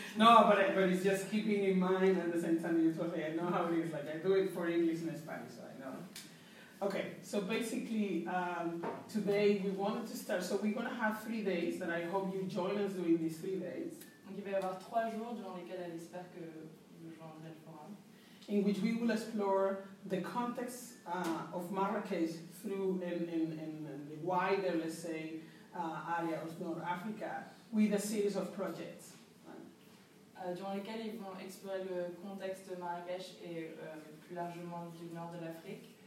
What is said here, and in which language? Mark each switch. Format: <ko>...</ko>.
<en>No, but it's just keeping in mind at the same time. It's okay. I know how it is. Like I do it for English and Spanish, so I know. Okay. So basically, today we wanted to start. So we're gonna have 3 days, and I hope you join us during these 3 days.</en> <fr>Il va y avoir 3 jours durant lesquels elle espère que vous joindrez le forum.</fr> <en>In which we will explore the context of Marrakech through in the wider, let's say, area of North Africa with a series of projects.</en> <fr>Durant lesquels ils vont explorer le contexte de Marrakech et plus largement du nord de l'Afrique.</fr>